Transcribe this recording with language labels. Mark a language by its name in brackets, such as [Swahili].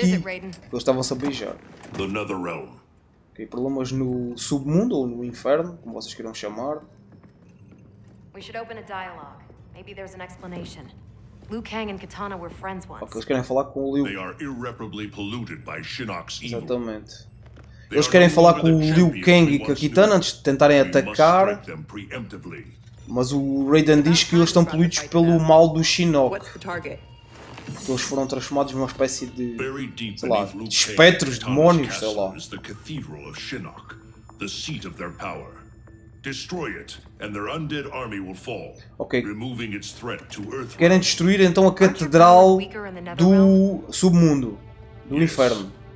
[Portuguese] Eles estavam-se a beijar. The Nether Realm. Ok, problemas no submundo ou no inferno, como vocês queiram chamar. [English] We should open a dialogue. Maybe there's an explanation. Liu Kang and Katana were friends once. [Portuguese] Ok, eles querem falar com o Liu. [English] They are irreparably polluted by Shinnok's evil. [Portuguese] Exatamente. Eles querem falar com o Liu Kang e com a Katana antes de tentarem atacar. Mas o Raiden diz que eles estão poluídos pelo mal do Shinnok. Que eles foram transformados numa espécie de, sei lá, de espectros, demónios, sei lá. [English] The cathedral of Shinnok, the seat of their power. Destroy it and their undead army will fall, removing its threat to Earth. [Portuguese] Querem destruir então a catedral do submundo, do inferno.